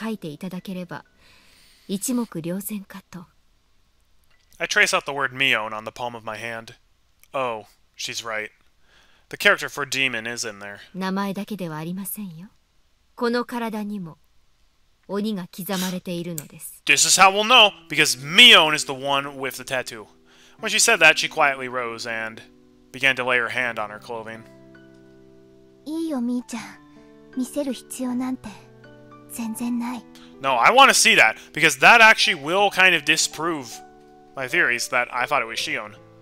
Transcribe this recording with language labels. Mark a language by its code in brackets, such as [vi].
[ja] 鬼ヶ淵村のように、崇められるに足る神聖な存在に。それが我ら鬼ヶ淵村の末裔の悲願であり、その先本家の鬼を継ぐ者の宿命なのです。鬼を継ぐ者？我がその先本家は代々当主の名に鬼の一字を加える習慣があるのです。私の名前を手のひらにでも書いていただければ一目瞭然かと。 [en] I trace out the word Mion on the palm of my hand. Oh, she's right. The character for demon is in there. [ja] 名前だけではありませんよ。この体にも鬼が刻まれているのです。 [en] This is how we'll know, because Mion is the one with the tattoo. When she said that, she quietly rose and began to lay her hand on her clothing. No, I want to see that, because that actually will kind of disprove my theories that I thought it was Shion.